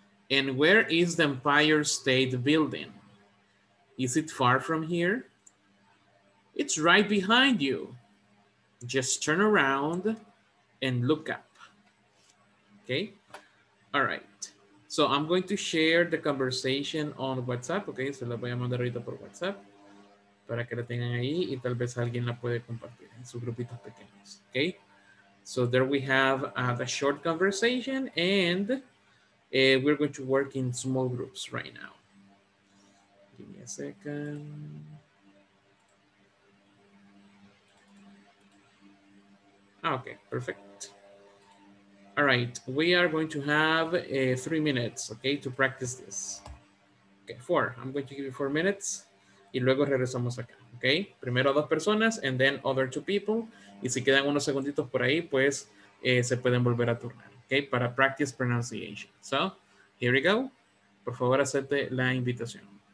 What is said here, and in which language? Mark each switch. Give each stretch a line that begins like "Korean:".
English: And where is the Empire State Building? Is it far from here? It's right behind you. Just turn around and look up. Okay, all right. So I'm going to share the conversation on WhatsApp, okay?
Spanish: Se la voy a mandar ahorita por WhatsApp para que la tengan ahí y tal vez alguien la puede compartir en sus grupitos pequeños, okay?
English: So there we have the short conversation and we're going to work in small groups right now. Give me a second. Okay, perfect. All right, we are going to have 3 minutes, okay, to practice this. Okay, four. I'm going to give you 4 minutes.
Spanish: Y luego regresamos acá,
English: okay?
Spanish: Primero dos personas
English: and then other two people.
Spanish: Y si quedan unos segunditos por ahí, pues se pueden volver a turnar, okay? Para practice pronunciation.
English: So, here we go.
Spanish: Por favor, acepte la invitación.